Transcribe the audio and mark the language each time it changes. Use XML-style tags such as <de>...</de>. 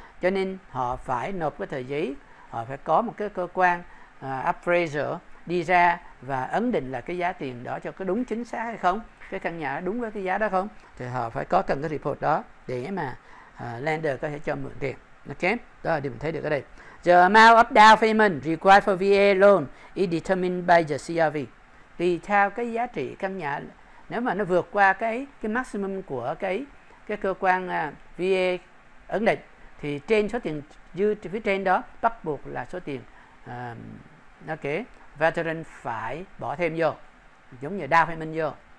<vi>Cho nên họ phải nộp cái tờ giấy, họ phải có một cái cơ quan appraisal đi ra và ấn định là cái giá tiền đó cho có đúng chính xác hay không, cái căn nhà đúng với cái giá đó không, thì họ phải có cần cái report đó để mà lender có thể cho mượn tiền. Ok, đó là điều mình thấy được ở đây.</vi> <en>The amount of down payment required for VA loan is determined by the CRV.</en> <vi>Tùy theo cái giá trị căn nhà, nếu mà nó vượt qua cái maximum của cái cơ quan VA ấn định, thì trên số tiền dư phía trên đó bắt buộc là số tiền ok, veteran phải bỏ thêm vô, giống như down payment vô.</vi>